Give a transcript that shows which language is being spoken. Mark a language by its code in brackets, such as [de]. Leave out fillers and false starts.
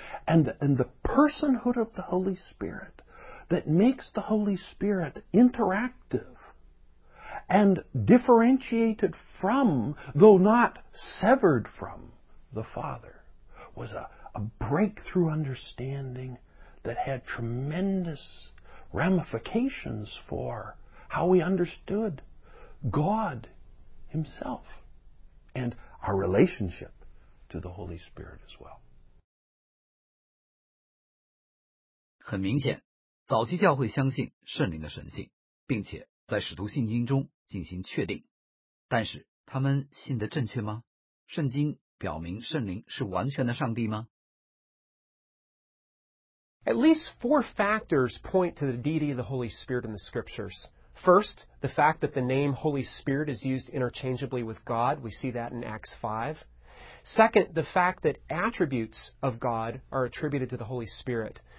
[en] And the personhood of the Holy Spirit that makes the Holy Spirit interactive and differentiated from, though not severed from, the Father was a breakthrough understanding that had tremendous ramifications for how we understood God Himself and our relationship to the Holy Spirit as well. [zh] 很明显，早期教会相信圣灵的神性，并且在使徒信经中进行确定。但是他们信得正确吗？圣经表明圣灵是完全的上帝吗？ [en] At least four factors point to the deity of the Holy Spirit in the scriptures. First, the fact that the name Holy Spirit is used interchangeably with God. We see that in Acts 5. Second, the fact that attributes of God are attributed to the Holy Spirit.